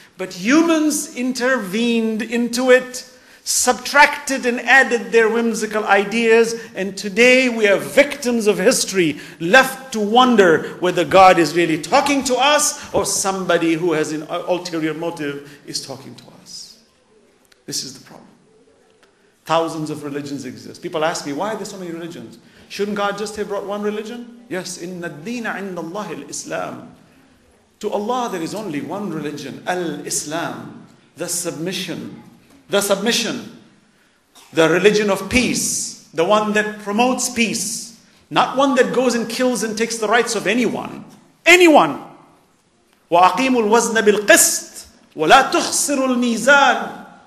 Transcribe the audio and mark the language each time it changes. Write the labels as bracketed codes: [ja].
[en] But humans intervened into it, subtracted and added their whimsical ideas, and today we are victims of history, left to wonder whether God is really talking to us or somebody who has an ulterior motive is talking to us. This is the problem. Thousands of religions exist. People ask me, why are there so many religions? Shouldn't God just have brought one religion? Yes, [ar] إِنَّ الدِّينَ عِنَّ اللَّهِ الْإِسْلَامِ. [en] To Allah there is only one religion, Al-Islam, the submission. The submission, the religion of peace, the one that promotes peace, not one that goes and kills and takes the rights of anyone. Anyone. [ar] وَأَقِيمُ الْوَزْنَ بِالْقِسْطِ وَلَا تُخْسِرُ الْمِيزَانِ.